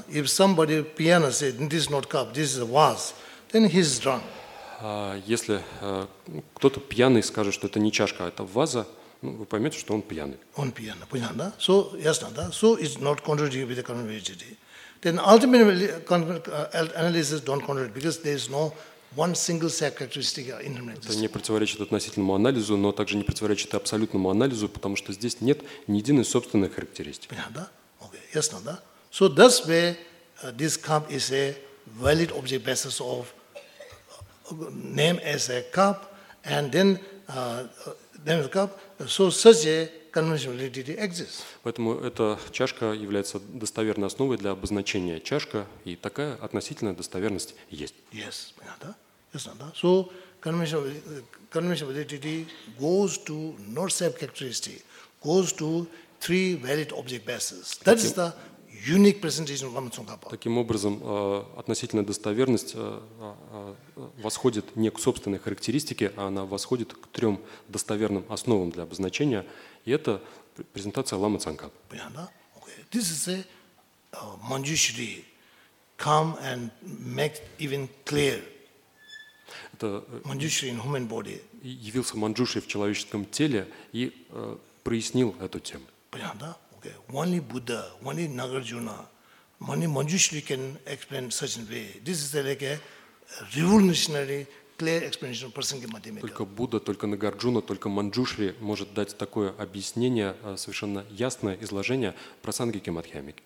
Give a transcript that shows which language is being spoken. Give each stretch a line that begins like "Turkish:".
English: If somebody piano said this is not cup, this is a vase, then he's drunk.
Russian: Если кто-то пьяный скажет, что это не чашка, а это ваза, ну, вы поймете, что он пьяный. Он пьяный, понятно, да?
English: So,
Russian: ясно, да?
English: So, it's not contradicting with the conventionality. Then, ultimately, analysis don't contradict, because there is no one single set characteristic in the analysis.
Russian: Это не противоречит относительному анализу, но также не противоречит абсолютному анализу, потому что здесь нет ни единой собственной характеристики. Понятно, да? Okay, ясно, да?
English: So, that's where this cup is a valid object basis of name as a cup, and then name the cup. So such a conventional validity exists.
Russian: Поэтому эта чашка является достоверной основой для обозначения чашка, и такая относительная достоверность есть.
English: Yes, да? Yes, да? So conventional validity goes to not self characteristic, goes to three valid object bases. That is the unique presentation of Lama Tsongkhapa.
Russian: Таким образом, относительная достоверность восходит не к собственной характеристике, а она восходит к трем достоверным основам для обозначения. И это презентация Лама Цанкапа. Понятно, да?
English: Okay. This is a Manjushri. Come and make even clear.
Russian: Это
English: Manjushri in human body.
Russian: Явился Манджуши в человеческом теле и прояснил эту тему. Понятно, да?
English: Okay. Only Buddha, only Nagarjuna, only Manjushri can explain such a way. This is like a revolutionary clear explanation of prasangi madhyamika.
Russian: Только Будда, только Нагарджуна, только Манджушри может дать такое объяснение, совершенно ясное изложение прасангики мадхьямики.